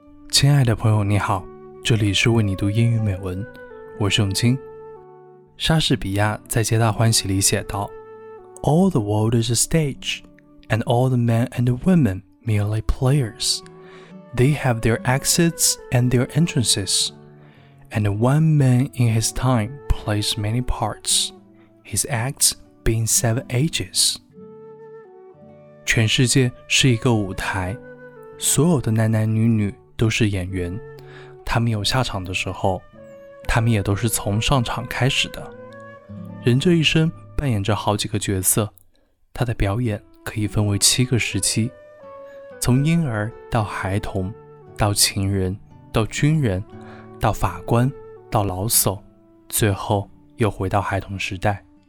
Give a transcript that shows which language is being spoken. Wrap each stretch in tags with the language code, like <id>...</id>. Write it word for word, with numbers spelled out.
<zh>亲爱的朋友你好，这里是为你读英语美文，我是永清。莎士比亚在《皆大欢喜》里写道</zh> <en>All the world is a stage, and all the men and the women merely players. They have their exits and their entrances, and one man in his time plays many parts, his acts being seven ages.</en> <zh>全世界是一个舞台，所有的男男女女都是演员，他们有下场的时候，他们也都是从上场开始的。人这一生扮演着好几个角色，他的表演可以分为七个时期，从婴儿到孩童，到情人，到军人，到法官，到老叟，最后又回到孩童时代。</zh>